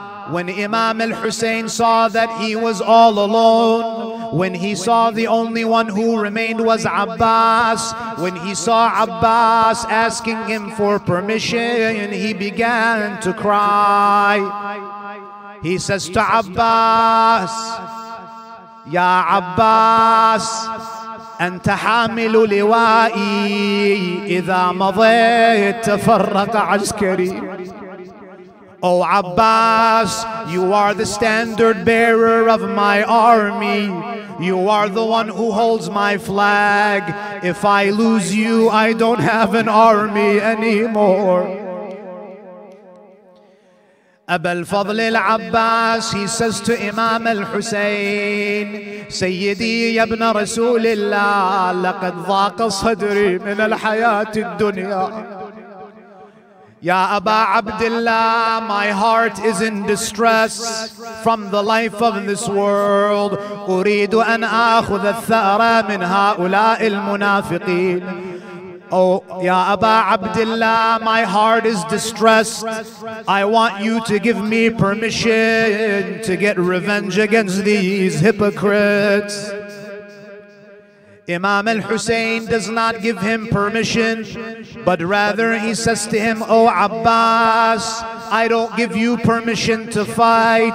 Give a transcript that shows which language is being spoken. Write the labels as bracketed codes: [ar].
[en] When Imam al-Hussein saw that he was all alone, when he saw the only one who remained was Abbas, when he saw Abbas asking him for permission, he began to cry. He says to Abbas, [ar] Ya Abbas, أنت حامل لوائي إذا مضيت تفرق عسكري. [en] Oh Abbas, you are the standard bearer of my army. You are the one who holds my flag. If I lose you, I don't have an army anymore. [ar] أبا الفضل العباس, [en] he says to Imam al-Hussein, [ar] سيدي يا ابن رسول الله, لقد ضاق صدري من الحياة الدنيا. [en] Ya Aba Abdullah, my heart is in distress from the life of this world. [ar] أريد أن آخذ الثأر من هؤلاء المنافقين. [en] Oh, Ya Aba Abdullah, my heart is distressed. I want you to give me permission to get revenge against these hypocrites. Imam al-Hussein does not give him permission, but rather he says to him, Oh Abbas, I don't give you permission to fight.